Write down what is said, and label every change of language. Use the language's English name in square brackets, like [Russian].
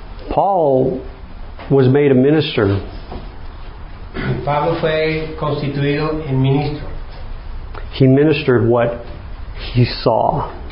[English] Paul was made a minister. [Spanish] Pablo fue constituido en ministro. [English] He ministered what he saw.